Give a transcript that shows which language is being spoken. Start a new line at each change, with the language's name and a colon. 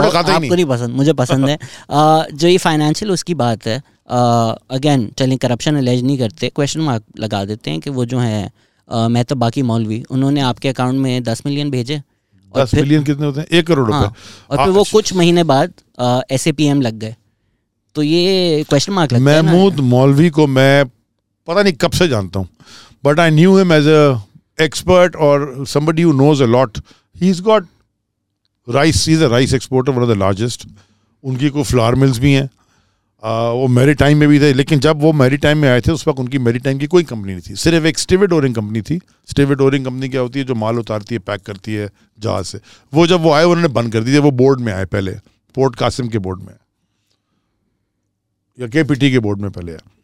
Urdu: آپ کو نہیں پسند, مجھے پسند ہے. جو یہ فائنینشیل اس کی بات ہے, اگین چلیں کرپشن الیج نہیں کرتے, کوشچن مارک لگا دیتے ہیں کہ وہ جو ہے میں تو باقی مولوی, انہوں نے آپ کے اکاؤنٹ میں 10 million بھیجے. 10 million کتنے ہوتے ہیں؟ 1 crore. ہاں, اور پھر وہ کچھ مہینے بعد ایس اے پی ایم لگ گئے, تو یہ کوشچن مارک لگتا ہے. محمود مولوی کو میں پتہ نہیں کب سے جانتا ہوں,
English: But I knew him as a expert اور somebody who knows a lot. He's got rice, he's a rice exporter, one of the largest.
Urdu: ان کی کوئی فلاور ملز بھی ہیں, وہ میری ٹائم میں بھی تھے, لیکن جب وہ میری ٹائم میں آئے تھے اس وقت ان کی میری ٹائم کی کوئی کمپنی نہیں تھی, صرف ایک اسٹیوڈورنگ کمپنی تھی. اسٹیوڈورنگ کمپنی کیا ہوتی ہے؟ جو مال اتارتی ہے, پیک کرتی ہے جہاز سے. وہ جب وہ آئے انہوں نے بند کر دی تھی. وہ بورڈ میں آئے پہلے, پورٹ قاسم کے بورڈ میں یا کے پی ٹی کے بورڈ میں پہلے.